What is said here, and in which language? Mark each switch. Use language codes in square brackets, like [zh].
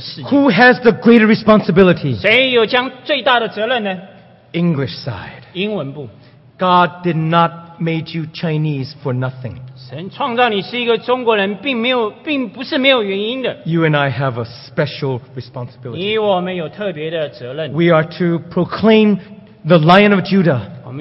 [en] Who has the greater responsibility? English side. God did not made you Chinese for nothing. [zh] 神创造你是一个中国人，并没有，并不是没有原因的。 [en] You and I have a special responsibility. We are to proclaim the Lion of Judah.